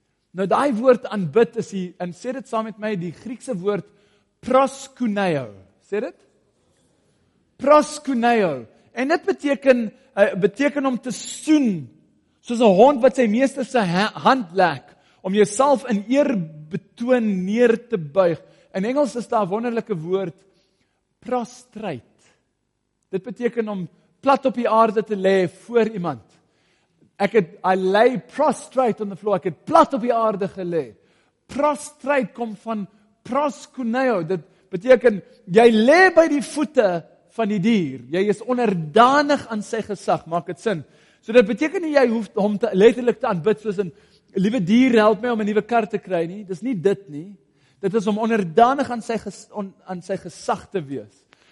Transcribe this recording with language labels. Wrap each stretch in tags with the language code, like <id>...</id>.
<af>Nou daai woord aanbid is die, en sê dit saam met my, die Griekse woord proskuneo. Sê dit? Proskuneo. En dit beteken om te soen, soos 'n hond wat sy meester se hand lek, om jouself in eerbetoon neer te buig. In Engels is daar 'n wonderlike woord, prostrate. Dit beteken om plat op die aarde te lê voor iemand.</af> <en>I lay prostrate on the floor,</en> <af>ek het plat op die aarde gelê. Prostrate kom van proskuneo, dit beteken, jy lê by die voete van die dier, jy is onderdanig aan sy gesag, maak het sin. So dit beteken nie, jy hoef hom letterlik te aanbid, soos in, liewe dier, help my om 'n nuwe kar te kry nie, dis nie dit nie, dit is om onderdanig aan sy gesag te wees.</af>